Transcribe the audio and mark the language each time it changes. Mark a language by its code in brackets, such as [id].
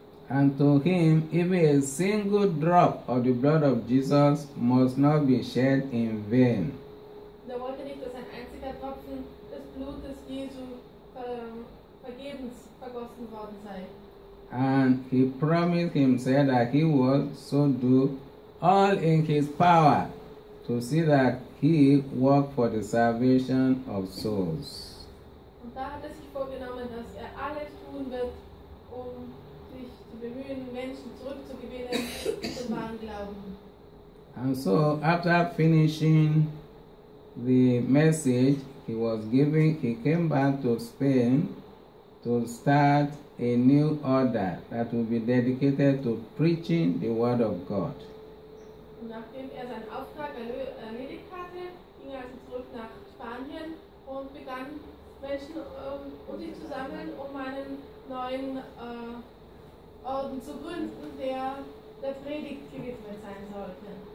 [en] And to him, even a single drop of the blood of Jesus must not be shed in vain. [de] Der wollte nicht, dass ein einziger Tropfen des Blutes Jesu Lebens vergossen worden sei. [en] And he promised himself that he would so do all in his power to see that he worked for the salvation of souls. [de] Und da hat er sich vorgenommen, dass er alles tun wird, um sich zu bemühen, Menschen zurückzugewinnen zum wahren Glauben. [en] And so, after finishing the message he was giving, he came back to Spain to start a new order that will be dedicated to preaching the Word of God. [de] Nachdem er seinen Auftrag erledigt hatte, ging er also zurück nach Spanien und begann Menschen und sich zu sammeln, um einen neuen Orden zu gründen, der Predigt gewidmet sein sollte.